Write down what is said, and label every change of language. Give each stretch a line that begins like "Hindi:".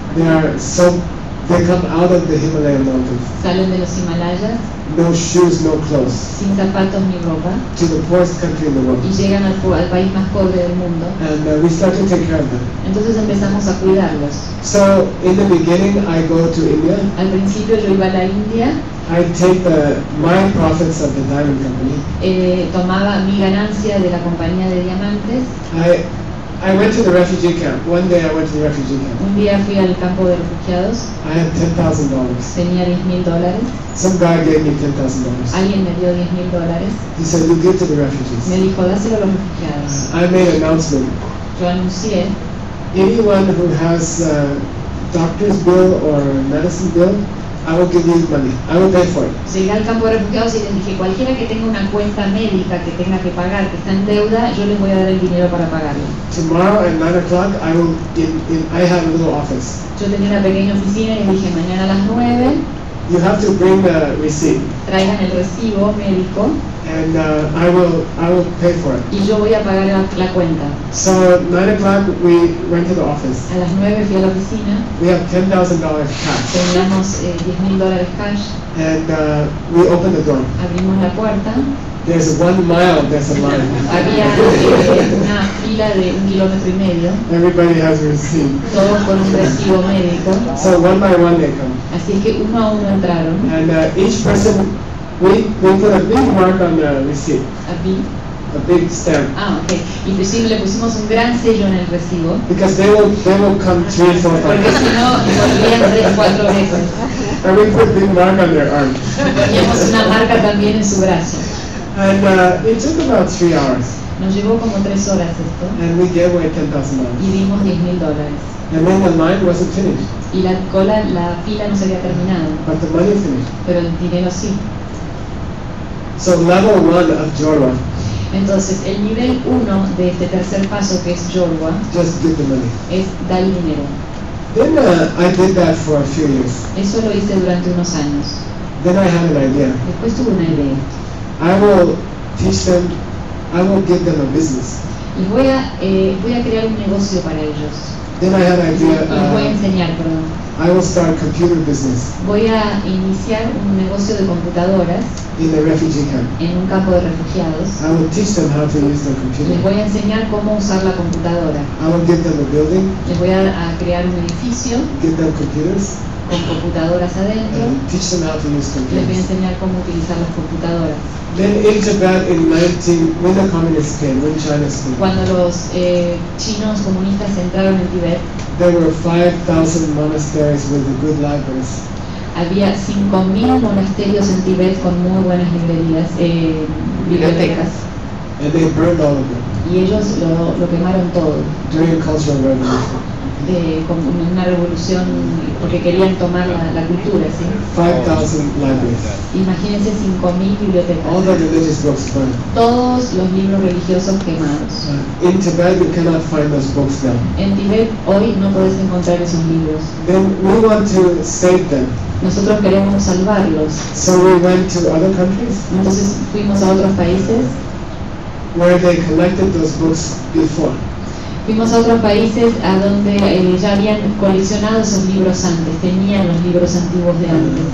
English: They are so, they come out of the Himalayan mountains.
Spanish: Salen de los Himalayas.
English: No shoes, no clothes.
Spanish: Sin zapatos ni ropa.
English: To the poorest country in the world.
Spanish: Y llegan al país más pobre del mundo.
English: And we start to take care of them.
Spanish: Entonces empezamos a cuidarlos.
English: So in the beginning, I go to India.
Spanish: Al principio yo iba a la India.
English: I take the my profits of the diamond company.
Spanish: Tomaba mi ganancia de la compañía de diamantes.
English: I went to the refugee camp. One day I went to the refugee camp.
Spanish: Un día fui al campo de refugiados.
English: I had $10,000.
Spanish: Tenía $10,000.
English: Some guy gave me $10,000.
Spanish: Alguien me dio $10,000.
English: He said, "You give to the refugees."
Spanish: Me dijo, dáselo a los refugiados.
English: I made an announcement.
Spanish: Yo anuncié.
English: Anyone who has a doctor's bill or a medicine bill, I will give you money. I will pay for it.
Spanish: Llegué al campo de refugiados y les dije, cualquiera que tenga una cuenta médica que tenga que pagar, que está en deuda, yo les voy a dar el dinero para pagarlo.
English: Tomorrow at 9 o'clock, I have a little office.
Spanish: Yo tenía una pequeña oficina y les dije, mañana a las 9.
English: You have to bring the receipt.
Spanish: Traigan el recibo médico.
English: And I will pay for it.
Spanish: Y yo voy a pagar la cuenta.
English: So at 9 o'clock we went to the office.
Spanish: A las 9 fui a la oficina.
English: We have $10,000 cash.
Spanish: Teníamos $10,000 cash.
English: And we opened the door.
Spanish: Abrimos la puerta.
English: There's 1 mile. There's a line.
Spanish: Había una fila de 1.5 kilómetros.
English: Everybody has received.
Spanish: Todos con un recibo médico.
English: So one by one they come.
Spanish: Así es que uno a uno entraron.
English: And each person, we put a big mark on the receipt. A big stamp. Ah, okay.
Spanish: Inclusive le pusimos un gran sello en el recibo.
English: Because they will come 3 or 4 times.
Spanish: Porque si no, volvían 3 o 4 veces.
English: And we put a big mark on their arm.
Spanish: Teníamos una marca también en su brazo.
English: And it took about 3 hours.
Spanish: Nos llevó como 3 horas esto.
English: And we gave away $10,000.
Spanish: Y dimos $10,000.
English: And then the line wasn't finished.
Spanish: Y la cola, la fila no se había terminado.
English: But the money finished.
Spanish: Pero el dinero sí.
English: So level one of Jorwa.
Spanish: Entonces el nivel 1 de este tercer paso que es Jorwa.
English: Just give the money.
Spanish: Es dar dinero.
English: Then I did that for a few years.
Spanish: Eso lo hice durante unos años.
English: Then I had an idea.
Spanish: Después tuve una idea.
English: I will teach them. I will give them a business.
Spanish: Y voy a crear un negocio para ellos.
English: Then I had an idea.
Spanish: Voy a enseñar.
English: I will start a computer business.
Spanish: Voy a iniciar un negocio de computadoras.
English: In a refugee camp.
Spanish: En un campo de refugiados.
English: I will teach them how to use the computer.
Spanish: Les voy a enseñar cómo usar la computadora.
English: I will give them a building.
Spanish: Les voy a crear un edificio.
English: Give them computers.
Spanish: Con computadoras adentro.
English: And teach them how to use computers.
Spanish: Les voy a enseñar cómo utilizar las computadoras.
English: Then in Japan in 19, when the communists came, when China came.
Spanish: Cuando los chinos comunistas entraron en Tibet.
English: There were 5,000 monasteries with good libraries.
Spanish: Había 5,000 monasterios en Tibet con muy buenas librerías, bibliotecas.
English: And they burned all of them.
Spanish: Y ellos lo quemaron todo.
English: During a cultural revolution.
Spanish: Como una revolución porque querían tomar la cultura, ¿sí?
English: 5,000 libraries.
Spanish: Imagínense 5,000 bibliotecas.
English: All the religious books burned.
Spanish: Todos los libros religiosos quemados.
English: In Tibet you cannot find those books now.
Spanish: En Tibet hoy no puedes encontrar esos libros.
English: Then we want to save them.
Spanish: Nosotros queremos salvarlos.
English: So we went to other countries.
Spanish: Entonces fuimos a otros países.
English: Where they collected those books before.
Spanish: Fuimos a otros países a donde ya habían coleccionado esos libros antes, tenían los libros antiguos de antes.